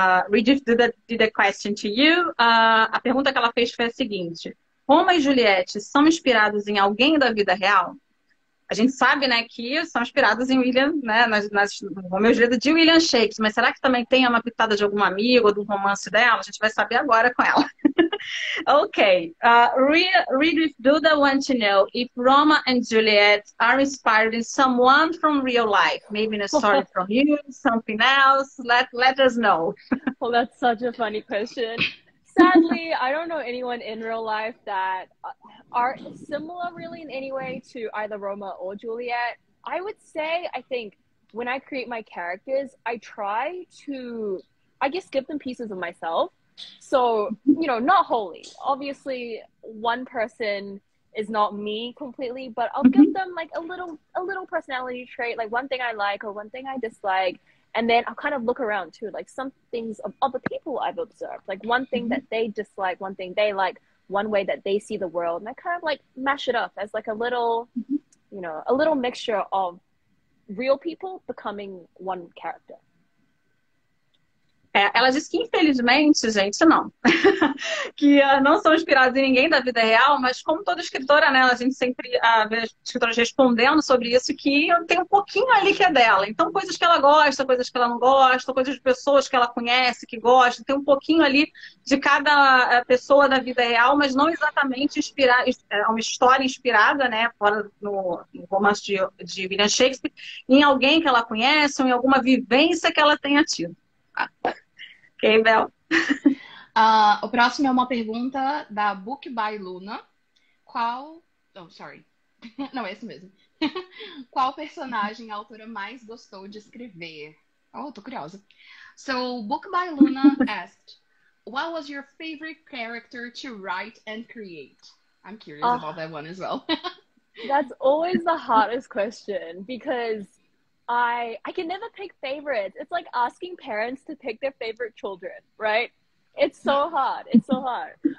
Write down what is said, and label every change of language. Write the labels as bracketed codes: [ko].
[en] Readwithduda did a question to you. [pt] A pergunta que ela fez foi a seguinte: Roma e Juliette são inspirados em alguém da vida real? A gente sabe, né, que são inspirados em William, né, Romeu e Julieta de William Shakespeare, mas será que também tem uma pitada de algum amigo ou do romance dela? A gente vai saber agora com ela. Ok. [en] Read with Duda want to know if Roma and Juliet are inspired in someone from real life. Maybe in a story from you, something else. Let us know. Well, that's such a funny question. Sadly, I don't know anyone in real life that are similar really in any way to either Roma or Juliet. I would say, I think, when I create my characters, I try to, I guess, give them pieces of myself. So, you know, not wholly. Obviously, one person is not me completely, but I'll give them, like, a little personality trait, like, one thing I like or one thing I dislike. And then I'll kind of look around too, like some things of other people I've observed, like one thing that they dislike, one thing they like, one way that they see the world. And I kind of like mash it up as like a little, you know, a little mixture of real people becoming one character. [pt] Ela disse que, infelizmente, gente, não. Que não são inspirados em ninguém da vida real, mas como toda escritora, né, a gente sempre vê escritoras respondendo sobre isso, que tem um pouquinho ali que é dela. Então, coisas que ela gosta, coisas que ela não gosta, coisas de pessoas que ela conhece, que gosta, tem um pouquinho ali de cada pessoa da vida real, mas não exatamente inspirada, uma história inspirada, né, fora no romance de William Shakespeare, em alguém que ela conhece ou em alguma vivência que ela tenha tido. Ok, Bel. O próximo é uma pergunta da Book by Luna. Qual... [en] Oh, sorry. [pt] Não, é esse mesmo. Qual personagem a autora mais gostou de escrever? Oh, tô curiosa. [en] So, Book by Luna asked, what was your favorite character to write and create? I'm curious about that one as well. That's always the hottest question, because I can never pick favorites. It's like asking parents to pick their favorite children, right? It's so hard. It's so hard.